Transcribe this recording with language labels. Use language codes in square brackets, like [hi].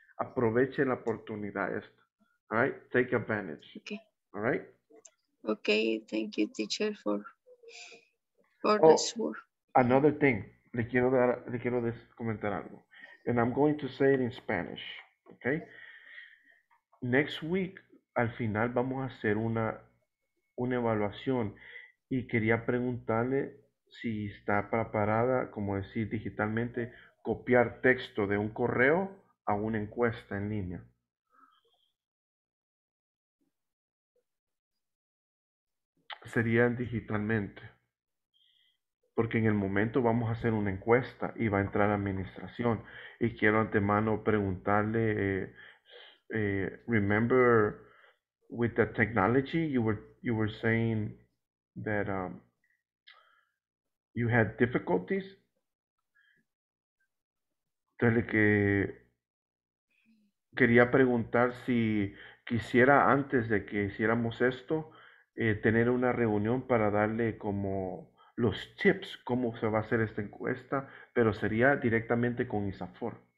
[es] Aproveche la oportunidad esta. [en] All right, take advantage. Okay. All right. Okay, thank you, teacher, for this work. Another thing. [es] Le quiero comentar algo. [en] And I'm going to say it in Spanish, okay? Next week, [es] al final vamos a hacer una evaluación y quería preguntarle si está preparada, como decir digitalmente, copiar texto de un correo a una encuesta en línea. Serían digitalmente. Porque en el momento vamos a hacer una encuesta y va a entrar la administración. Y quiero antemano preguntarle, [en] remember with the technology, you were saying that you had difficulties. [es] Entonces, quería preguntar si quisiera antes de que hiciéramos esto, tener una reunión para darle como los tips, cómo se va a hacer esta encuesta, pero sería directamente con INSAFORP.